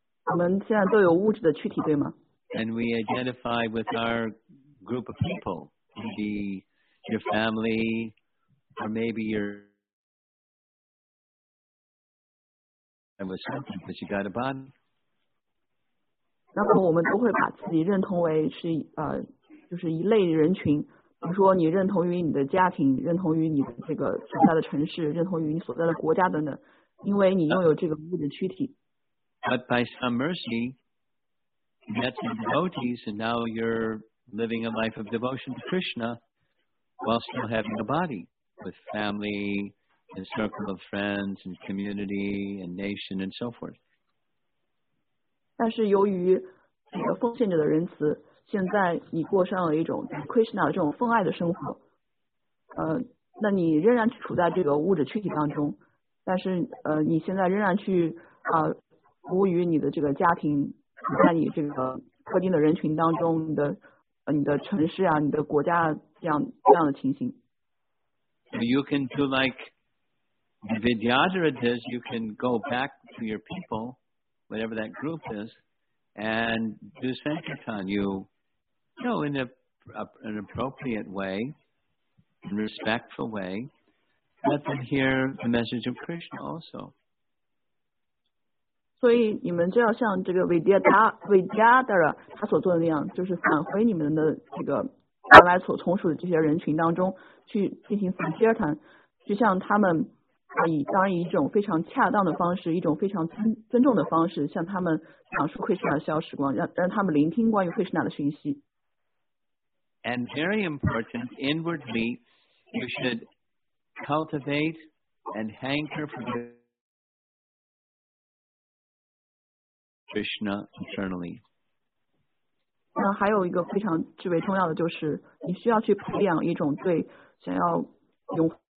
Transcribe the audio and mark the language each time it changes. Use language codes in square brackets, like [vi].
[zh] 我们现在都有物质的躯体，对吗？ [en] And we identify with our group of people, maybe your family, or maybe your... And with something, because you got a body. [zh] 那么我们都会把自己认同为是就是一类人群，比如说你认同于你的家庭，认同于你的这个所在的城市，认同于你所在的国家等等。因为你拥有这个物质躯体。 [en] But by some mercy, you met some devotees, and now you're living a life of devotion to Krishna while still having a body with family and circle of friends and community and nation and so forth. [zh] 但是由于你的奉献者的仁慈，现在你过上了一种 Krishna 这种奉爱的生活，那你仍然处在这个物质躯体当中。但是你现在仍然去服务于你的这个家庭，在你这个特定的人群当中，你的城市啊，你的国家这样的情形。 [en] You can do like Vidyadhara does. You can go back to your people, whatever that group is, and do sankirtan. You know in an appropriate way, in a respectful way. Let them hear the message of Krishna also. [zh] 所以你们就要像这个 Vidyadhara 他所做的那样，就是返回你们的这个原来所从属的这些人群当中去进行 Sankirtan， 就像他们当然以一种非常恰当的方式，一种非常尊重的方式向他们讲述 Krishna 的消时光，让他们聆听关于 Krishna 的讯息。 [en] And very important, inwardly We should cultivate and hanker for Krishna eternally. [zh] 那还有一个非常至为重要的，就是你需要去培养一种对想要永